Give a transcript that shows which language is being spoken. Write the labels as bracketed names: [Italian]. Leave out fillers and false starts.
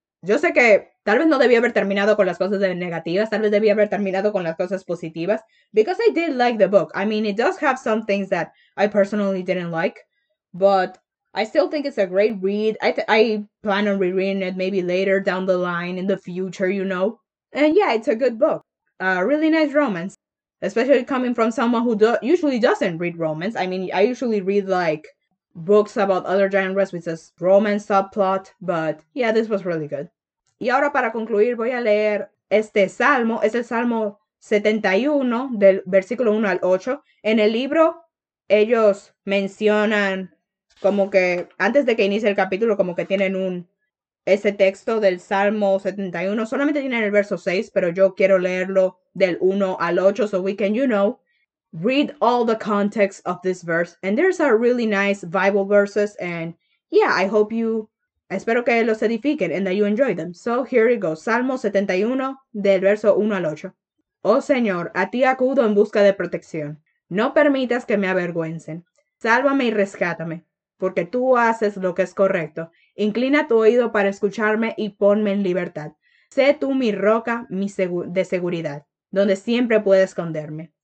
[Spanish] Yo sé que tal vez no debía haber terminado con las cosas negativas. Tal vez debía haber terminado con las cosas positivas. [English] Because I did like the book. I mean, it does have some things that I personally didn't like. But I still think it's a great read. I plan on rereading it maybe later down the line in the future, you know. And yeah, it's a good book. Really nice romance. Especially coming from someone who usually doesn't read romance. I mean, I usually read like books about other genres with a romance subplot. But yeah, this was really good. [Spanish] Y ahora para concluir voy a leer este salmo. Es el salmo 71 del versículo 1 al 8. En el libro ellos mencionan como que antes de que inicie el capítulo, como que tienen ese texto del Salmo 71. Solamente tienen el verso 6, pero yo quiero leerlo del 1 al 8, [English] so we can, you know, read all the context of this verse. And there's a really nice Bible verses, and yeah, I hope you, [Spanish] espero que los edifiquen [English] and that you enjoy them. So here it goes, [Spanish] Salmo 71, del verso 1 al 8. Oh Señor, a ti acudo en busca de protección. No permitas que me avergüencen. Sálvame y rescátame. Porque tú haces lo que es correcto. Inclina tu oído para escucharme y ponme en libertad. Sé tú mi roca de seguridad, donde siempre puedo esconderme.